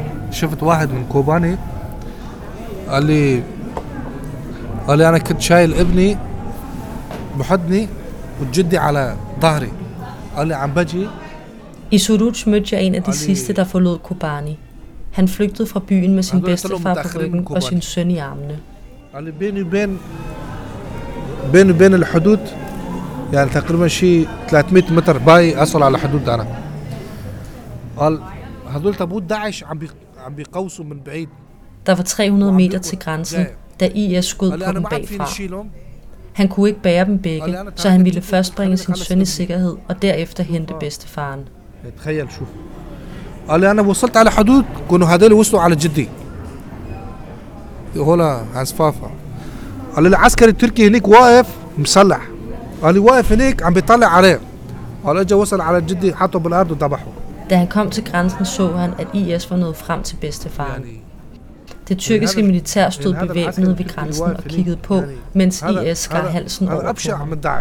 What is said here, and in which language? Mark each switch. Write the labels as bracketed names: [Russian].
[Arabic] شفت واحد من كوباني قال لي انا كنت شايل ابني بحضني وجدي على ظهري قال لي عم بجي [Danish] i Suruç mødte jeg en af de sidste der forlod Kobani. Han flygtede fra byen med sin bedstefar på ryggen og sin søn i armene. [Arabic] قال لي بين الحدود يعني تقريبا شي 300 متر باي اصل على حدود انا. قال هذول تبوت داعش عم بيقوصوا من بعيد. [Danish] Der var 300 meter til grænsen, da IS skød på dem bagfra. Han kunne ikke bære dem begge, så han ville først bringe sin søn i sikkerhed og derefter hente bedstefaren. [Arabic] تخيل شوف. قال لي انا وصلت على حدود كانوا هذول وصلوا على جدي. هولا هانس فافا. قال لي العسكري التركي هناك واقف مسلح. قال لي واقف هناك عم بيطلع عليه. قال اجى وصل على جدي حطه بالارض وذبحه. [Danish] Da han kom til grænsen, så han, at IS var nået frem til bedstefaren. Det tyrkiske militær stod bevæbnet ved grænsen og kiggede på, mens IS skar halsen over på ham.